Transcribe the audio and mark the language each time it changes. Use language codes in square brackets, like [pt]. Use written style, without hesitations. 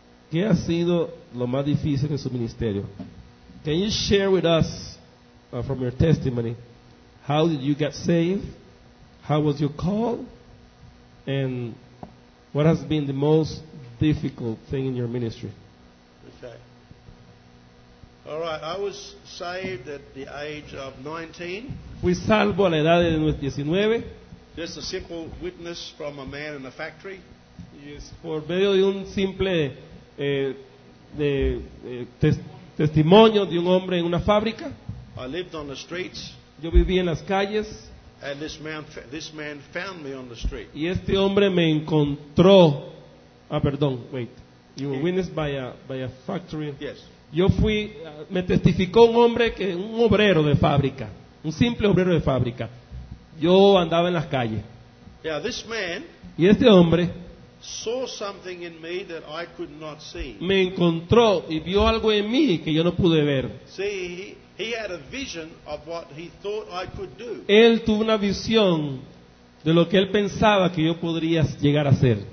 [es] ¿Qué ha sido lo más difícil en su ministerio? [en] Can you share with us from your testimony? How did you get saved? How was your call? And what has been the most difficult thing in your ministry? Okay. All right, I was saved at the age of 19. [es] Fui salvo a la edad de 19. [en] Just a simple witness from a man in a factory. [es] Yes, por medio de un simple testimonio de un hombre en una fábrica. [en] I lived on the streets. [es] Yo vivía en las calles. [en] And this man found me on the street. [es] Y este hombre me encontró. [en] You were witnessed by a factory. Yes. [es] Yo fui, me testificó un hombre que un obrero de fábrica, un simple obrero de fábrica. Yo andaba en las calles. [en] Yeah, this man. [es] Y este hombre [en] saw something in me that I could not see. [es] Me encontró y vio algo en mí que yo no pude ver. [en] See, he had a vision of what he thought I could do. [es] Él tuvo una visión de lo que él pensaba que yo podría llegar a ser.